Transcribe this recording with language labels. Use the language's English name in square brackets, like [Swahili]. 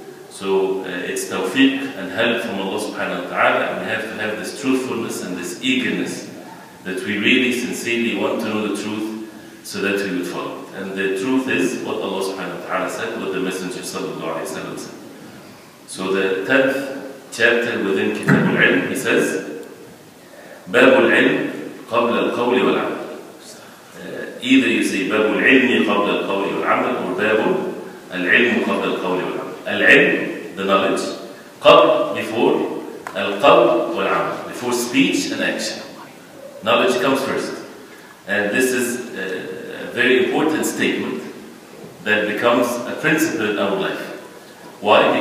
[English] So it's tawfiq and help from Allah subhanahu wa ta'ala, and we have to have this truthfulness and this eagerness that we really sincerely want to know the truth so that we would follow it. And the truth is what Allah subhanahu wa ta'ala said, what the Messenger sallallahu alayhi wa sallam said. So the 10th chapter within Kitab al-Ilm, he says, [Arabic] باب العلم قبل القول والعمل. [English] Either you say [Arabic] باب العلم قبل القول والعمل or باب العلم قبل القول والعمل. [English] العلم, the knowledge, قبل, before, [Arabic] القول والعمل, [English] before speech and action. Knowledge comes first. And this is a very important statement that becomes a principle in our life. Why?